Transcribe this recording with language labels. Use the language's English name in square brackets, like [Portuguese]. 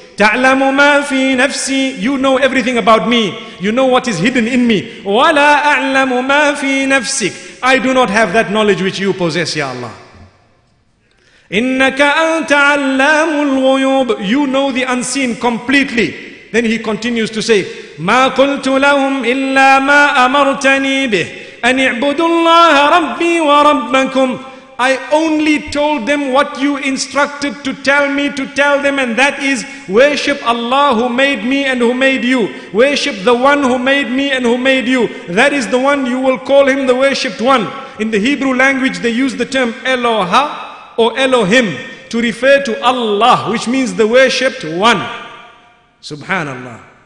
[Arabic] تَعْلَمُ مَا فِي نَفْسِي. [English] You know everything about me. You know what is hidden in me. [Arabic] وَلَا أَعْلَمُ مَا فِي نَفْسِكَ. [English] I do not have that knowledge which you possess, Ya Allah. [Arabic] إِنَّكَ أَنْتَ عَلَّامُ الْغُيُوبِ. [English] You know the unseen completely. Then he continues to say, [Arabic] مَا قُلْتُ لَهُمْ إِلَّا مَا أَمَرْتَنِي بِهِ أَنِ اعْبُدُ اللَّهَ رَبِّي وَرَبَّكُمْ. [English] I only told them what you instructed to tell me to tell them, and that is, worship Allah who made me and who made you. Worship the one who made me and who made you. That is the one, you will call him the worshipped one. In the Hebrew language, they use the term Eloha or Elohim to refer to Allah, which means the worshipped one. Subhanallah.